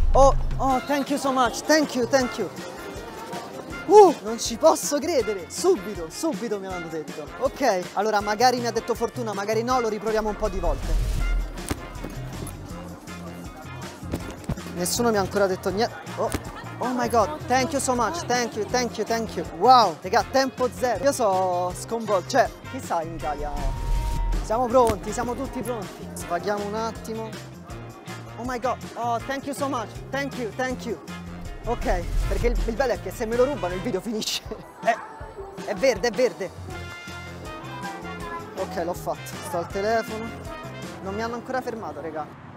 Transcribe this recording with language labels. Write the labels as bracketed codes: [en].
[en] Oh, thank you so much, thank you. [it] Non ci posso credere. Subito mi hanno detto. Ok, allora magari mi ha detto fortuna, magari no, lo riproviamo un po' di volte. Nessuno mi ha ancora detto niente. [en] Oh, oh my god, thank you so much, thank you. [it] Wow, raga, tempo zero. Io sono sconvolto, cioè, chissà in Italia. Siamo tutti pronti. Sbaghiamo un attimo. [en] Oh my god, oh thank you so much, thank you. [it] Ok, perché il bello è che se me lo rubano il video finisce. È verde. Ok, l'ho fatto, sto al telefono. Non mi hanno ancora fermato, raga.